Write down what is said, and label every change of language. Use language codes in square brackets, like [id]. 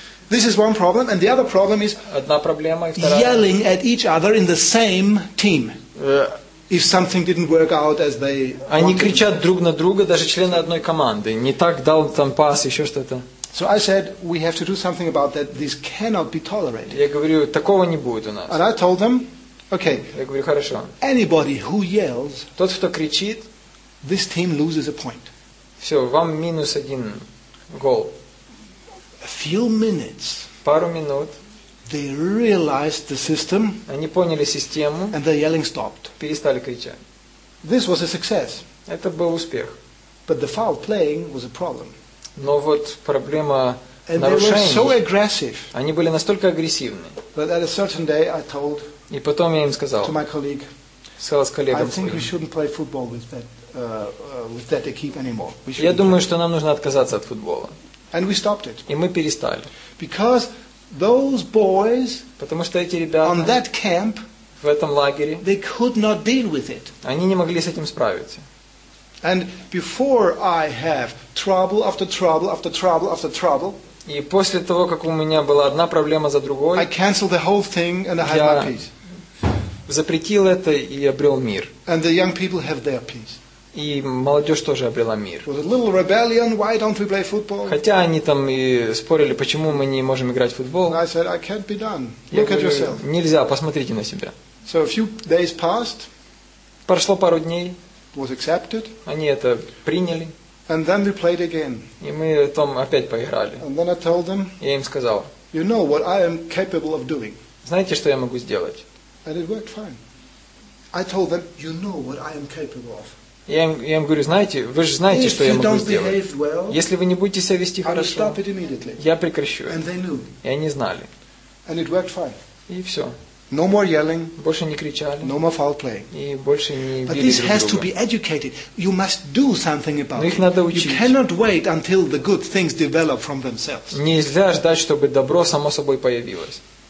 [en] This is one problem, and the other problem is. [ru] Одна проблема и вторая. [en] Yelling at each other in the same team. If something didn't work out as they wanted. [ru] Они кричат друг на друга, даже члены одной команды. Не так дал там пас, еще что-то. [en] So I said, we have to do something about that. This cannot be tolerated. [ru] Я говорю, такого не будет у нас. [en] And I told them, okay. [ru] Я говорю, хорошо. [en] Anybody who yells, [ru] тот, кто кричит, [en] this team loses a point. [ru] Все, вам минус один гол. [en] A few minutes. [ru] Пару минут. [en] They realized the system. [ru] Они поняли систему. [en] And the yelling stopped. [ru] Перестали кричать. [en] This was a success. [ru] Это был успех. [en] But the foul playing was a problem. [ru] Но вот проблема [en] and [ru] нарушений. [en] They were so aggressive. [ru] Они были настолько агрессивны. [en] But at a certain day, I told. [ru] И потом я им сказал. [en] To my colleague. [ru] Сказал с коллегой. [en] I think we shouldn't play football with that equipe anymore. [ru] Я думаю, что нам нужно отказаться от футбола. [en] And we stopped it. [ru] И мы перестали. [en] Because those boys, [ru] потому что эти ребята, [en] on that camp, [ru] в этом лагере, [en] they could not deal with it. [ru] Они не могли с этим справиться. [en] And before I have trouble after trouble after trouble after trouble, [ru] и после того, как у меня была одна проблема за другой, [en] I canceled the whole thing and I had my peace. [ru] Я запретил это и обрел мир. [en] And the young people have their peace. [ru] И молодежь тоже обрела мир. [en] Was a little rebellion. Why don't we play football? [ru] Хотя они там и спорили, почему мы не можем играть в футбол. [en] I said, I can't be done. Look [ru] я говорю, [en] at yourself. [ru] Нельзя, посмотрите на себя. [en] So a few days passed. [ru] Прошло пару дней. [en] Was accepted. [ru] Они это приняли. [en] And then we played again. [ru] И мы там опять поиграли. [en] And then I told them, [ru] я им сказал, [en] you know what I am capable of doing. [ru] Знаете, что я могу сделать? [en] And it worked fine. I told them, you know what I am capable of. [ru] Я им говорю, знаете, вы же знаете, что я могу сделать. [en] Well, [ru] если вы не будете себя вести хорошо, я прекращу. И они знали. [en] And it worked fine. [ru] И все. [en] No more yelling, [ru] больше не кричали. [en] No more foul playing. [ru] И больше не били друг друга. [en] Has to be educated. You must do something about it. [ru] Но их надо учить. [en] You cannot wait until the good things develop from themselves. [ru] Нельзя ждать, чтобы добро само собой появилось.